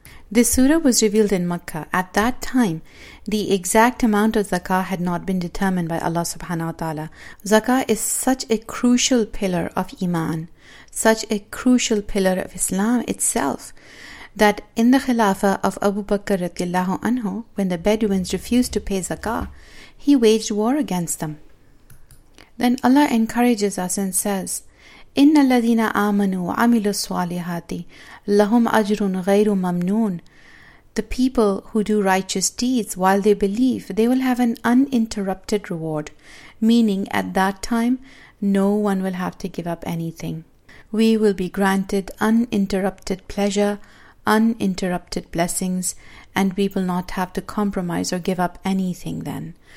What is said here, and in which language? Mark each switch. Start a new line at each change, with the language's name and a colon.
English: This surah was revealed in Makkah. At that time, the exact amount of zakah had not been determined by Allah subhanahu wa ta'ala. Zakah is such a crucial pillar of iman, such a crucial pillar of Islam itself, that in the khilafah of Abu Bakr radiallahu anhu, when the Bedouins refused to pay zakah, he waged war against them. Then Allah encourages us and says,
Arabic: إِنَّ الَّذِينَ آمَنُوا وَعَمِلُوا الصَّالِحَاتِ لَهُمْ أَجْرٌ غَيْرُ مَمْنُونَ.
English: The people who do righteous deeds while they believe, they will have an uninterrupted reward, meaning at that time, no one will have to give up anything. We will be granted uninterrupted pleasure, uninterrupted blessings, and we will not have to compromise or give up anything then.